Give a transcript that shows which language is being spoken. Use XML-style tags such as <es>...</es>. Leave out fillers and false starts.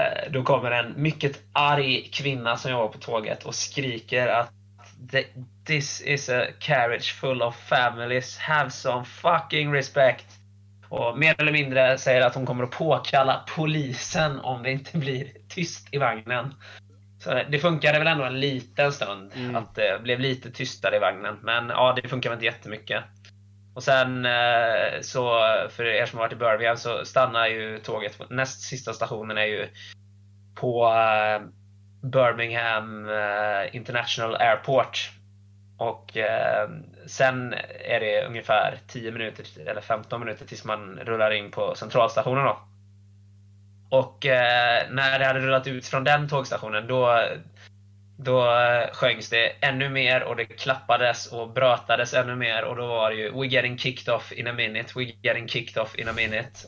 <sv>Då kommer en mycket arg kvinna som jobbar på tåget och skriker att</sv> <en>this is a carriage full of families. Have some fucking respect.</en> <sv>Och mer eller mindre säger att hon kommer att påkalla polisen om det inte blir tyst i vagnen. Så det funkade väl ändå en liten stund att det blev lite tystare i vagnen. Men ja, det funkar väl inte jättemycket. Och sen så, för er som har varit i Birmingham, så stannar ju tåget. Näst sista stationen är ju på Birmingham International Airport. Och sen är det ungefär 10 minuter eller 15 minuter tills man rullar in på centralstationen då. Och när det hade rullat ut från den tågstationen, då sjöngs det ännu mer och det klappades och brötades ännu mer. Och då var det ju,</sv> <en>we're getting kicked off in a minute, we're getting kicked off in a minute.</en>